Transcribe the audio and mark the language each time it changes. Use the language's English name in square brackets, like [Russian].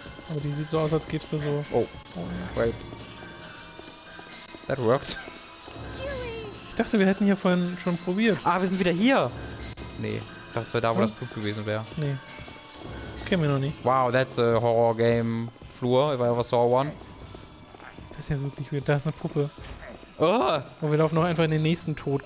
[German] Aber die sieht so aus, als gäb's da so... [English] Oh, wait. That worked. [German] Ich dachte, wir hätten hier vorhin schon probiert. Ah, wir sind wieder hier! Nee. Das wäre da, wo das Blut gewesen wäre. Nee. Das kennen wir noch nicht. [English] Wow, that's a horror game floor, if I ever saw one. [German] Das ist ja wirklich weird. Da ist eine Puppe. Oh! Und wir laufen noch einfach in den nächsten Tod.